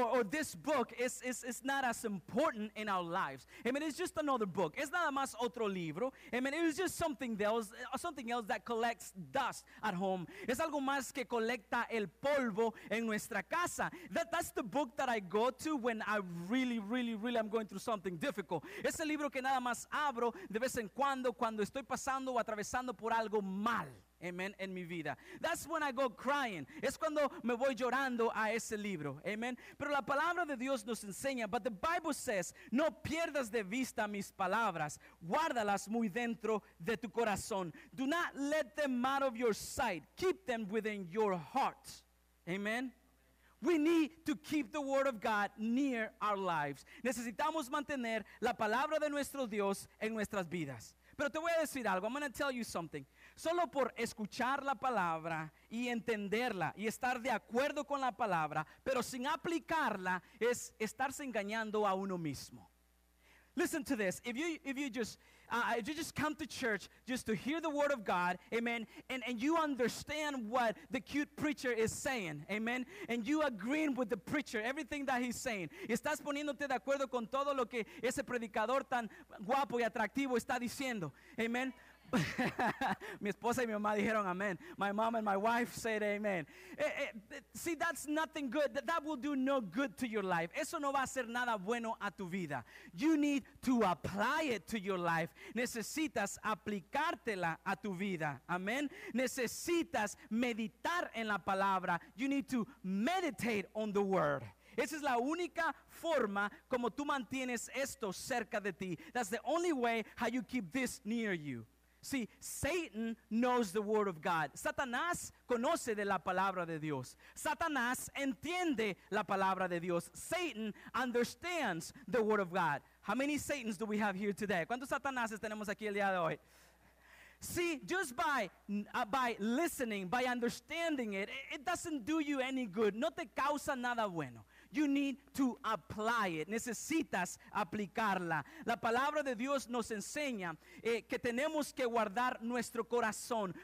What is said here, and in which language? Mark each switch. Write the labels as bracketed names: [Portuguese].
[English] This book is not as important in our lives. I mean, it's just another book. [Spanish] Es nada más otro libro. [English] I mean, it's just something else that collects dust at home. [Spanish] Es algo más que colecta el polvo en nuestra casa. [English] That's the book that I go to when I really, really, really am going through something difficult. [Spanish] Es el libro que nada más abro de vez en cuando estoy pasando o atravesando por algo mal, amen, en mi vida. [English] That's when I go crying. [Spanish] Es cuando me voy llorando a ese libro, amen. Pero la palabra de Dios nos enseña, [English] but the Bible says, [Spanish] no pierdas de vista mis palabras, guárdalas muy dentro de tu corazón. [English] Do not let them out of your sight. Keep them within your heart, amen. We need to keep the word of God near our lives. [Spanish] Necesitamos mantener la palabra de nuestro Dios en nuestras vidas. Pero te voy a decir algo, [English] I'm going to tell you something. [Spanish] Solo por escuchar la palabra y entenderla y estar de acuerdo con la palabra, pero sin aplicarla, es estarse engañando a uno mismo. [English] Listen to this. If you just come to church just to hear the word of God, amen, and you understand what the cute preacher is saying, amen, and you agree with the preacher, everything that he's saying, [Spanish] estás poniéndote de acuerdo con todo lo que ese predicador tan guapo y atractivo está diciendo, amen. Mi esposa y mi mamá dijeron amén. [English] My mom and my wife said amen. See, that's nothing good. That will do no good to your life. [Spanish] Eso no va a hacer nada bueno a tu vida. [English] You need to apply it to your life. [Spanish] Necesitas aplicártela a tu vida. Amén. Necesitas meditar en la palabra. [English] You need to meditate on the word. [Spanish] Esa es la única forma como tú mantienes esto cerca de ti. [English] That's the only way how you keep this near you. See, Satan knows the word of God. [Spanish] Satanás conoce de la palabra de Dios. Satanás entiende la palabra de Dios. [English] Satan understands the word of God. How many Satans do we have here today? [Spanish] ¿Cuántos Satanáses tenemos aquí el día de hoy? [English] See, just by listening, by understanding it, it doesn't do you any good. [Spanish] No te causa nada bueno. [English] You need to apply it. [Spanish] Necesitas aplicarla. La palabra de Dios nos enseña que tenemos que guardar nuestro corazón.